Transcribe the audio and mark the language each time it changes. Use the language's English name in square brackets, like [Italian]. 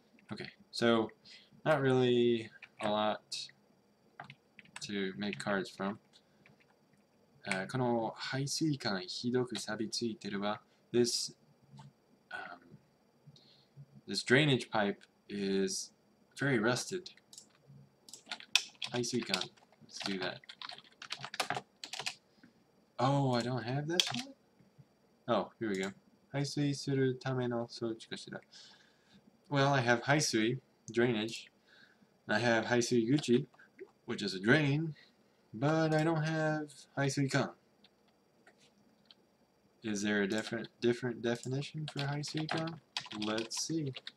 [English] Okay, so not really a lot to make cards from. [Japanese] この排水管ひどく錆びついてるわ. [English] This drainage pipe is very rusted. 排水管.Let's do that. Oh, I don't have that one? Oh, here we go. [Japanese] 排水するための装置かしら. [English] Well, I have 排水, drainage. And I have 排水口, which is a drain. But I don't have 排水管. Is there a different definition for 排水管?Let's see.